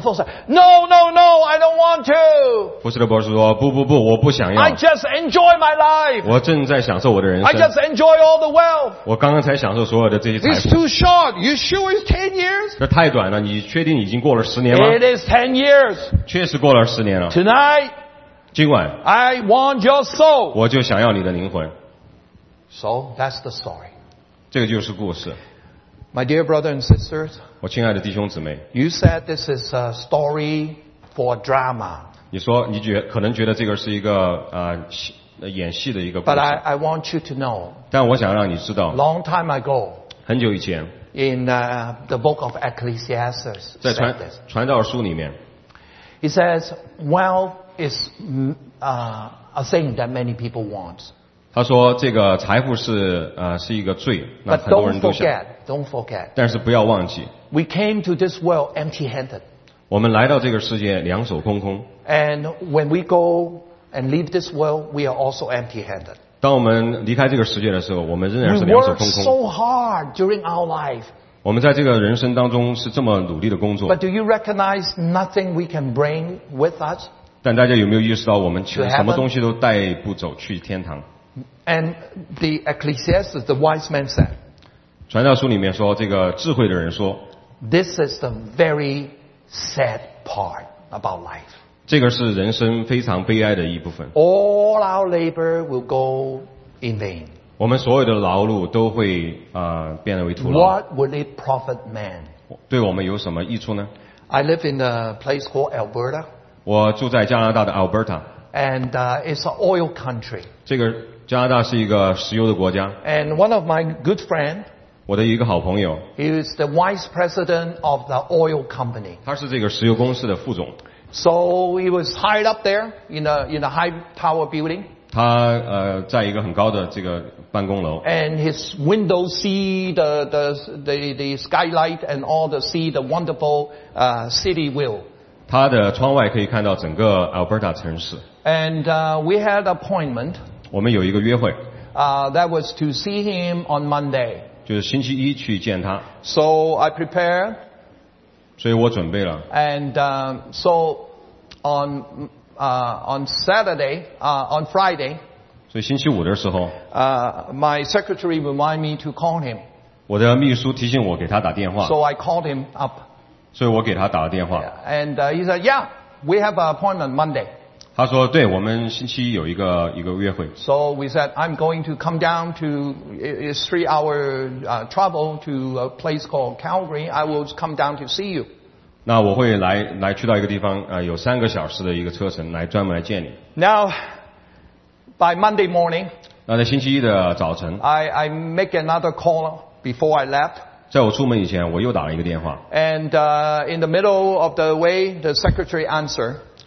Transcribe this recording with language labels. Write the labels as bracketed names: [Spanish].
[English] Foster, no, no, no, I don't want to. [Chinese] 福士德博士说不不不我不想要。 [English] I just enjoy my life. [Chinese] 我正在享受我的人生。 [English] I just enjoy all the wealth. [Chinese] 我刚刚才享受所有的这些财富。 [English] It's too short. You sure it's 10 years? [Chinese] 这太短了你确定已经过了十年吗 [English] It is 10 years. [Chinese] 确实过了十年了。 [English] Tonight, [Chinese] 今晚 [English] I want your soul. [Chinese] 我就想要你的灵魂。 [English] So, that's the story. [Chinese] 这个就是故事。 [English] My dear brothers and sisters, [Chinese] 我亲爱的弟兄姊妹 [English] you said this is a story for drama. [Chinese] 你说你觉可能觉得这个是一个演戏的一个故事。 [English] But I want you to know. [Chinese] 但我想让你知道。 [English] Long time ago. [Chinese] 很久以前。 [English] In the book of Ecclesiastes. [Chinese] 在传道书里面。 [English] He says wealth is a thing that many people want. [Chinese] 他说这个财富是一个罪那很多人都想 [English] don't forget. [Chinese] 但是不要忘记 [English] We came to this world empty-handed. [Chinese] 我们来到这个世界两手空空 [English] And when we go and leave this world we are also empty-handed. [Chinese] 当我们离开这个世界的时候我们仍然是两手空空 [English] We worked so hard during our life. [Chinese] 我们在这个人生当中是这么努力的工作 [English] But do you recognize nothing we can bring with us? [Chinese] 但大家有没有意识到我们什么东西都带不走去天堂 [English] And the Ecclesiastes, the wise man said, [Chinese] 传道书里面说这个智慧的人说 [English] This is the very sad part about life. [Chinese] 这个是人生非常悲哀的一部分 [English] All our labor will go in vain. [Chinese] 我们所有的劳碌都会变得为徒劳 [English] What would it profit man? [Chinese] 对我们有什么益处呢 [English] I live in a place called Alberta. [Chinese] 我住在加拿大的 Alberta. [English] And it's an oil country. [Chinese] 这个加拿大是一个石油的国家。 [English] And one of my good friend, [Chinese] 我的一个好朋友 [English] he is the vice president of the oil company. [Chinese] 他是这个石油公司的副总。 [English] So he was hired up there in a high tower building. [Chinese] 他在一个很高的这个办公楼。 [English] And his window see the skylight and all the see the wonderful city view. [Chinese] 他的窗外可以看到整个 Alberta 城市。 [English] And we had appointment. [Chinese] 我们有一个约会。 [English] That was to see him on Monday. [Chinese] 就是星期一去见他。 [English] So I prepare. [Chinese] 所以我准备了。 [English] And on Friday. [Chinese] 所以星期五的时候。 [English] My secretary remind me to call him. [Chinese] 我的秘书提醒我给他打电话。 [English] So I called him up. [Chinese] 所以我给他打了电话。 [English] And he said, yeah, we have an appointment Monday. [Chinese] 他说对我们星期一有一个约会 [English] So we said I'm going to come down to It's 3 hour travel to a place called Calgary I will come down to see you [Chinese] 那我会来去到一个地方有三个小时的一个车程来专门来见你 [English] Now by Monday morning [Chinese] 那在星期一的早晨 [English] I make another call before I left [Chinese] 在我出门以前我又打了一个电话 [English] And in the middle of the way the secretary answered